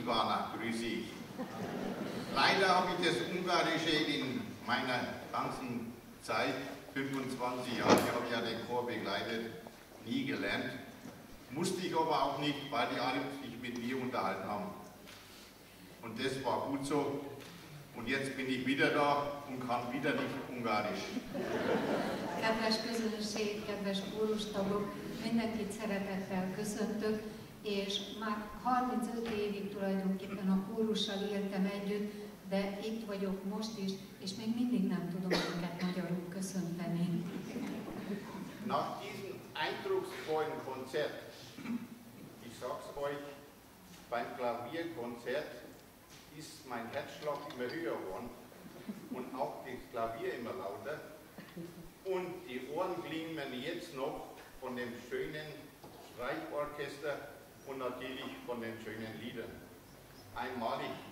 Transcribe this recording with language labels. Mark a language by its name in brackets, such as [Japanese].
[German] Ivana, grüße ich. Leider habe ich das Ungarische in meiner ganzen Zeit, 25 Jahre, ich habe ja den Chor begleitet, nie gelernt. Musste ich aber auch nicht, weil die alle sich mit mir unterhalten haben. Und das war gut so. Und jetzt bin ich wieder da und kann wieder nicht Ungarisch. [Hungarian] Kedves közönség, kedves kórustagok, Mindenkit szeretettel köszöntök, és már 35 évig tulajdonképpen a kórussal éltem együtt, de itt vagyok most is, és még mindig nem tudom őket magyarul köszönteni. [German] Nach diesem eindrucksvollen Konzert, ich sag's euch, beim Klavierkonzert ist mein Herzschlag immer höher geworden und auch das Klavier immer lauter und die Ohren glimmen jetzt noch von dem schönen Streichorchester und natürlich von den schönen Liedern. Einmalig.